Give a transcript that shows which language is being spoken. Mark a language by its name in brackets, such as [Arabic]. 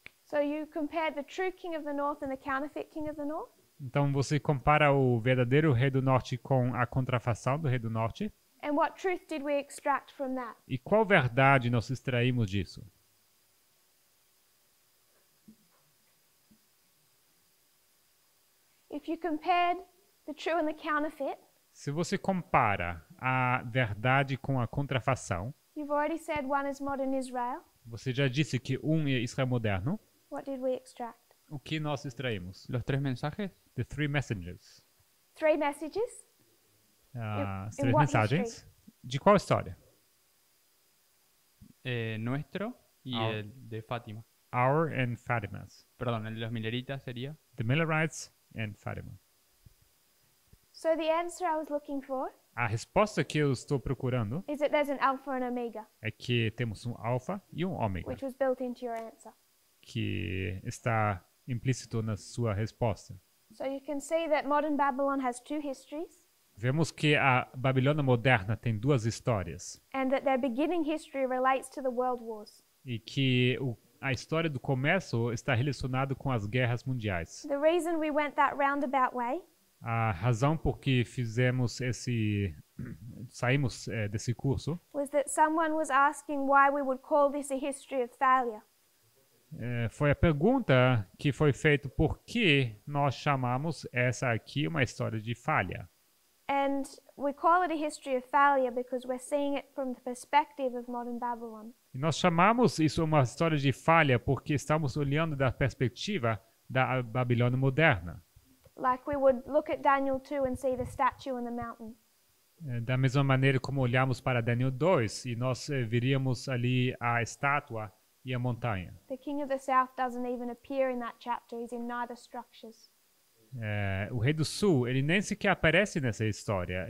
[English] So you compare the true king of the north and the counterfeit king of the north? [Portuguese] Então você compara o verdadeiro rei do norte com a contrafação do rei do norte? [English] And what truth did we extract from that? [Portuguese] E qual verdade nós extraímos disso? [English] If you compared the true and the counterfeit, [Portuguese] se você compara a verdade com a contrafação, [English] you've already said one is modern Israel. [Portuguese] Você já disse que um é Israel moderno. [English] What did we extract? [Portuguese] O que nós extraímos? Os três mensagens? [English] The three messengers. Three messages? [Portuguese] As três mensagens. [English] History? [Portuguese] De qual história? [Spanish] Nuestro e el de Fátima. [English] Our and Fátima's. [Spanish] Perdão, el de los Milleritas seria? [English] The Millerites and Fátima. So the answer I was looking for? [Portuguese] A resposta que eu estou procurando [English] is that there's an alpha and omega, [Portuguese] é que temos um alfa e um ômega, [English] which was built into your answer, [Portuguese] que está implícito na sua resposta. [English] So you can see that modern Babylon has two histories. [Portuguese] Vemos que a Babilônia moderna tem duas histórias. [English] And that their beginning history relates to the world wars. [Portuguese] E que a história do comércio está relacionada com as guerras mundiais. [English] The reason we went that roundabout way, [Portuguese] a razão por que fizemos esse, saímos desse curso, [English] was that someone was asking why we would call this a history of failure. [Portuguese] Foi a pergunta que foi feita por que nós chamamos essa aqui uma história de falha. [English] And we call it a history of failure because we're seeing it from the perspective of modern Babylon. [Portuguese] E nós chamamos isso uma história de falha porque estamos olhando da perspectiva da Babilônia moderna. [English] Like we would look at Daniel 2 and see the statue in the mountain. [Portuguese] Da mesma maneira como olhamos para Daniel 2 e nós veríamos ali a estátua e a montanha. [English] The king of the south doesn't even appear in that chapter. He's in neither structures. [Portuguese] O rei do sul, ele nem sequer aparece nessa história.